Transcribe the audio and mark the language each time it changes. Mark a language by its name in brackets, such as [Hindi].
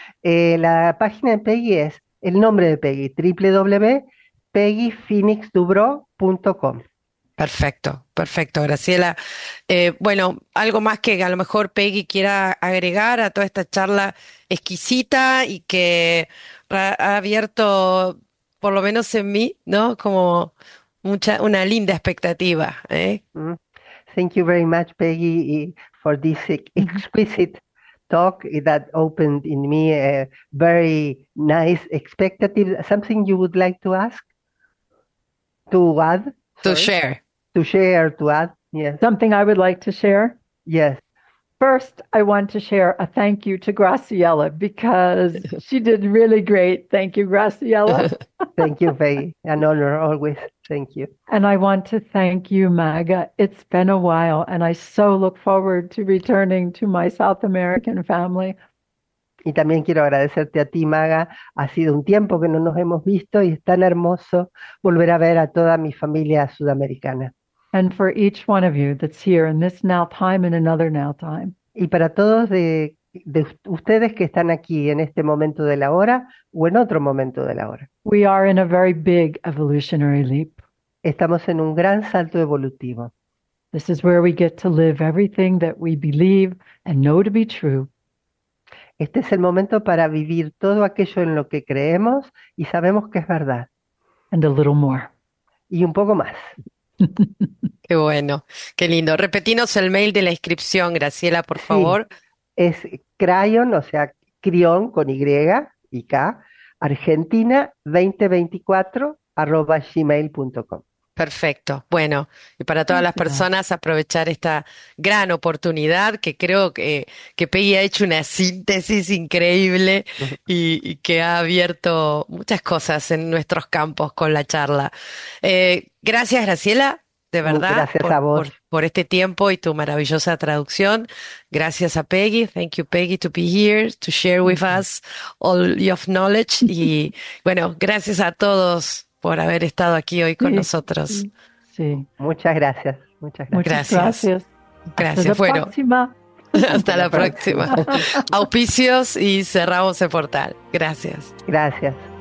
[Spanish] La página de Peggy es el nombre de Peggy, www.peggyphoenixdubro.com. Perfecto, perfecto, Graciela. Bueno, algo más que a lo mejor Peggy quiera agregar a toda esta charla exquisita y que ha abierto, por lo menos en mí, ¿no? Como una linda expectativa. [English] Thank you very much, Peggy, for this exquisite talk that opened in me a very nice expectative. Something you would like to ask? To add? To share. To share, to add, yes. Something I would like to share? Yes. First, I want to share a thank you to Graciela because she did really great. Thank you, Graciela. Thank you, Faye. An honor always. Thank you. And I want to thank you, Maga. It's been a while, and I so look forward to returning to my South American family. [Spanish] Y también quiero agradecerte a ti, Maga. Ha sido un tiempo que no nos hemos visto y es tan hermoso volver a ver a toda mi familia sudamericana. [English] And for each one of you that's here in this now time and another now time. [Spanish] Y para todos de ustedes que están aquí en este momento de la hora o en otro momento de la hora. [English] We are in a very big evolutionary leap. [Spanish] Estamos en un gran salto evolutivo. [English] This is where we get to live everything that we believe and know to be true. [Spanish] Este es el momento para vivir todo aquello en lo que creemos y sabemos que es verdad. [English] And a little more. [Spanish] Y un poco más. Qué bueno, qué lindo. Repetinos el mail de la inscripción, Graciela, por favor. Sí, es Cryon, o sea, Cryon con Y y K, argentina2024@gmail.com. Perfecto, bueno, y para todas las personas aprovechar esta gran oportunidad que creo que Peggy ha hecho una síntesis increíble y que ha abierto muchas cosas en nuestros campos con la charla. Gracias, Graciela, de verdad, gracias a vos. Por este tiempo y tu maravillosa traducción. Gracias a Peggy. [English] Thank you, Peggy, to be here, to share with us all your knowledge. [Spanish] Y bueno, gracias a todos por haber estado aquí hoy con nosotros. Sí. Muchas gracias. Muchas gracias. Muchas gracias. Gracias. Hasta la próxima. Hasta la próxima. Auspicios y cerramos el portal. Gracias. Gracias.